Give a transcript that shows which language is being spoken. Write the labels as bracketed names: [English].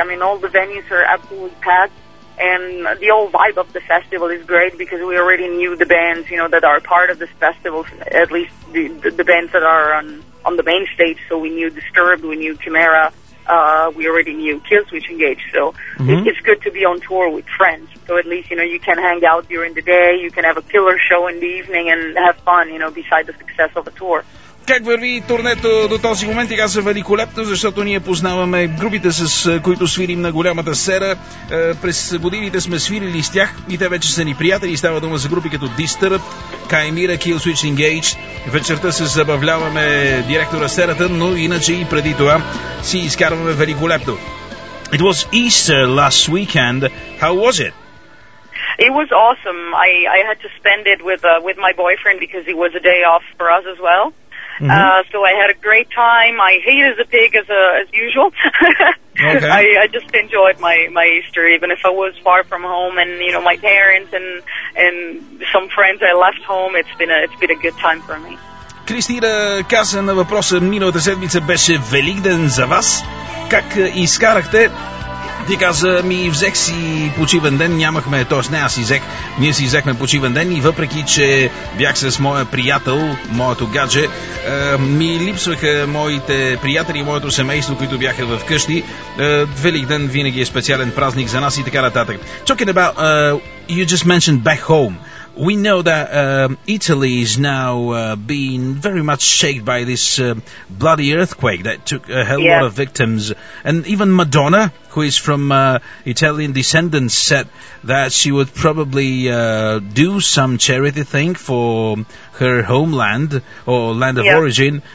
[English] I mean, all the venues are absolutely packed, and the whole vibe of the festival is great because we already knew the bands, you know, that are part of this festival, at least the bands that are on the main stage. So we knew Disturbed, we knew Chimera, we already knew Killswitch Engage. So it's good to be on tour with friends. So at least, you know, you can hang out during the day, you can have a killer show in the evening and have fun, you know, beside the success of a tour. [Bulgarian] Как върви турнето до този момент? Тя каза великолепно, защото ние познаваме групите, с които свирим на голямата сцена. През годините сме свирили с тях и те вече са ни приятели. Става дума за групи като Disturbed, Chimera, Killswitch Engage. Вечерта се забавляваме директно на сцената, но иначе и преди това си изкарваме великолепно. [English] It was Easter last weekend. How was it? It was awesome. I had to spend it with my boyfriend because it was a day off for us as well. So I had a great time. I hate as a pig as usual. Okay. I just enjoyed my Easter, even if I was far from home and, you know, my parents and some friends I left home. It's been a good time for me. [Bulgarian] Кристина каза на въпроса, миналата седмица беше Великден за вас. Как изкарахте? Ти каза, ми взех си почивен ден, нямахме, т.е. не аз изех, ние си взехме почивен ден и въпреки, че бях с моя приятел, моето гадже, ми липсваха моите приятели, моето семейство, които бяха в къщи. Великден винаги е специален празник за нас и така нататък. [English] Talking about, you just mentioned back home. We know that Italy is now being very much shaken by this bloody earthquake that took a hell of a lot of victims. And even Madonna, who is from Italian descendants, said that she would probably do some charity thing for her homeland or land of origin.